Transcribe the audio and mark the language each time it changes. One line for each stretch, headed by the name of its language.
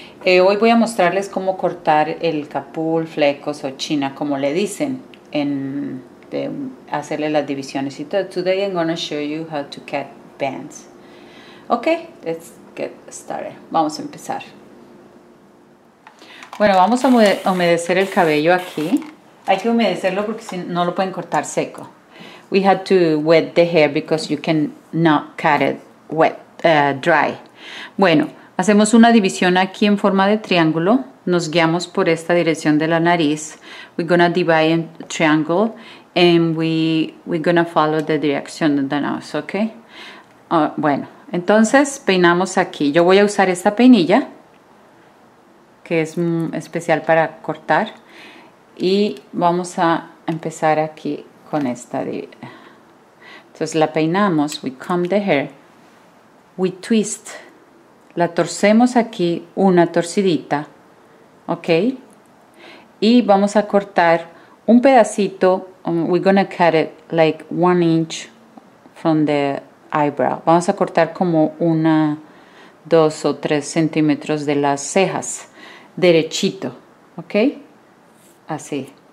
Spanish: Hoy voy a mostrarles cómo cortar el capul, flecos o china, como le dicen, en de hacerle las divisiones.
English: Y today I'm going to show you how to cut bands. Ok, let's get started.
Spanish: Vamos a empezar. Bueno, vamos a humedecer el cabello aquí. Hay que humedecerlo porque si no lo pueden cortar seco.
English: We had to wet the hair because you cannot cut it wet, dry.
Spanish: Bueno, hacemos una división aquí en forma de triángulo. Nos guiamos por esta dirección de la nariz.
English: We're gonna divide in triangle and we're gonna follow the direction of the nose, okay?
Spanish: Bueno, entonces peinamos aquí. Yo voy a usar esta peinilla que es especial para cortar y vamos a empezar aquí. Con esta, entonces la peinamos,
English: we comb the hair, we twist,
Spanish: la torcemos aquí una torcidita, ok, y vamos a cortar un pedacito,
English: we're gonna cut it like 1 inch from the eyebrow,
Spanish: vamos a cortar como 1, 2 o 3 centímetros de las cejas, derechito, ok, así.